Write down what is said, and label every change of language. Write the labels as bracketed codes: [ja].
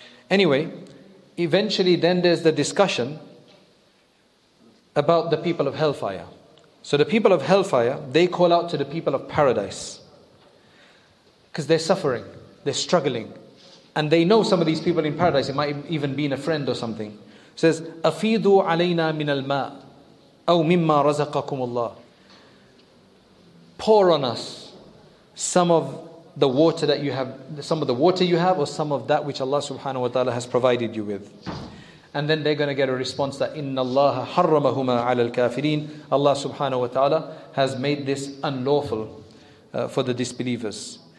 [en] Anyway, eventually then there's the discussion about the people of hellfire. So the people of hellfire, they call out to the people of paradise because they're suffering, they're struggling, and they know some of these people in paradise. It might even be a friend or something. It says, [ar] أَفِيدُوا عَلَيْنَا مِنَ الْمَاءِ أَوْ مِمَّا رَزَقَكُمُ اللَّهِ. [en] Pour on us some of the water that you have, some of the water you have, or some of that which Allah subhanahu wa ta'ala has provided you with. And then they're going to get a response that [ar] إِنَّ اللَّهَ حَرَّمَهُمَا عَلَى الْكَافِرِينَ. [en] Allah subhanahu wa ta'ala has made this unlawful for the disbelievers.